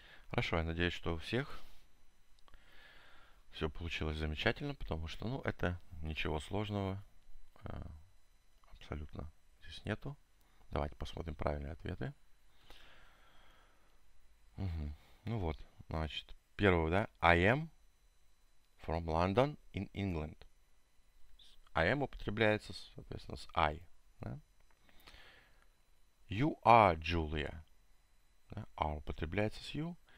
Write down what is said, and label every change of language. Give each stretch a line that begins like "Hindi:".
Russian: Хорошо, я надеюсь, что у всех все получилось замечательно, потому что, ну, это ничего сложного абсолютно здесь нету. Давайте посмотрим правильные ответы. Угу. Ну вот, значит, первое, да,
English: I am from London in England.
Russian: I am употребляется, соответственно, с I.
English: Да? You are Julia. Да?
Russian: Are употребляется с you.